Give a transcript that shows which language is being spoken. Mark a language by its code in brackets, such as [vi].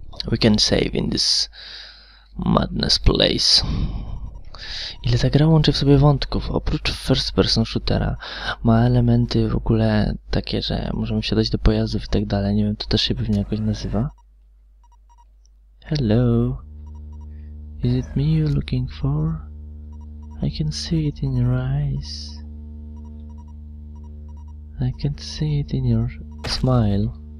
[en] We can save in this madness place. [pl] Ile ta gra łączy w sobie wątków? Oprócz first person shootera ma elementy w ogóle takie, że możemy wsiadać do pojazdów i tak dalej. Nie wiem, to też się pewnie jakoś nazywa. [en] Hello. Is it me you're looking for? I can see it in your eyes. I can see it in your smile.